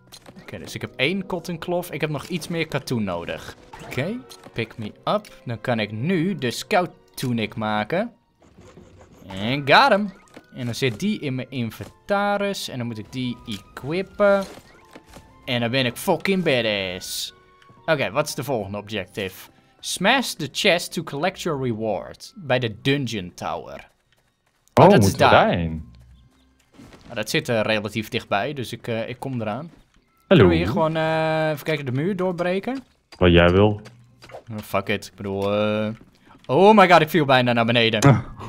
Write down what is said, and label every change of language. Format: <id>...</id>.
<nl>Oké, okay, dus ik heb 1 cotton cloth. Ik heb nog iets meer katoen nodig. Oké, okay,</nl> <en>pick me up.</en> <nl>Dan kan ik nu de scout tunic maken. En got hem. En dan zit die in mijn inventaris. En dan moet ik die equippen. En dan ben ik fucking badass. Oké, okay, wat is de volgende objective?</nl> <en>Smash the chest to collect your reward.</en> <nl>Bij de dungeon tower. Oh, oh dat is daar. Nou, dat zit relatief dichtbij, dus ik kom eraan. Hallo. Kunnen we hier gewoon even kijken, de muur doorbreken? Wat jij wil.</nl> <en>Fuck it.</en> <nl>Ik bedoel,</nl> <en>oh my god,</en> <nl>ik viel bijna naar beneden.</nl>